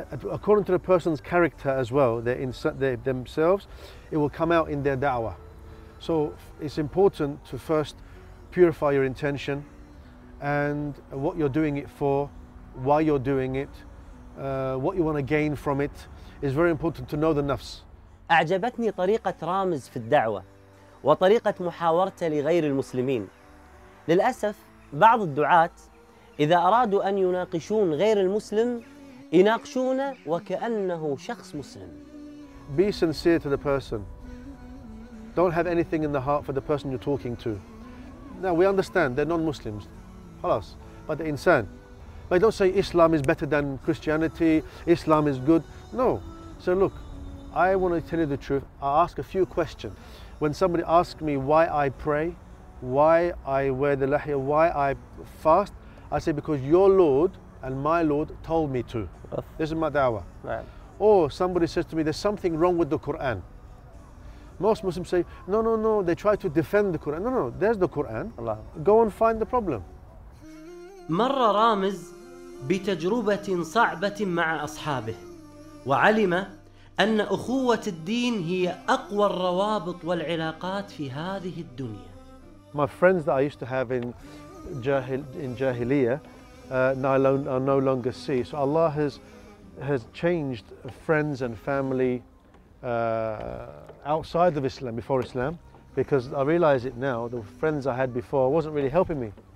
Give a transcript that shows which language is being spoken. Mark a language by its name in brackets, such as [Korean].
[English] According to the person's character as well, themselves, it will come out in their da'wah. So it's important to first purify your intention and what you're doing it for, why you're doing it, what you want to gain from it. It's very important to know the nafs. [Arabic] أعجبتني طريقة رامز في الدعوة وطريقة محاورته لغير المسلمين. للأسف بعض الدعاة إذا أرادوا أن يناقشون غير المسلم يناقشون وكأنه شخص مسلم. [English] Be sincere to the person. Don't have anything in the heart for the person you're talking to. Now we understand they're non-Muslims, خلاص. But the insan. But don't say Islam is better than Christianity. Islam is good. No. So look, I want to tell you the truth. I ask a few questions. When somebody asks me why I pray, why I wear the lahya, why I fast, I say because your Lord and my Lord told me to. This is my da'wah. Right. Or somebody says to me, there's something wrong with the Quran. Most Muslims say, no, they try to defend the Quran. No, there's the Quran. Allah. Go and find the problem. [Arabic] مر رامز بتجربة صعبة مع أصحابه وعلم أن أخوة الدين هي أقوى الروابط والعلاقات في هذه الدنيا. [English] My friends that I used to have in Jahiliyyah, I no longer see. So Allah has changed friends and family outside of Islam, before Islam, because I realize it now, the friends I had before wasn't really helping me.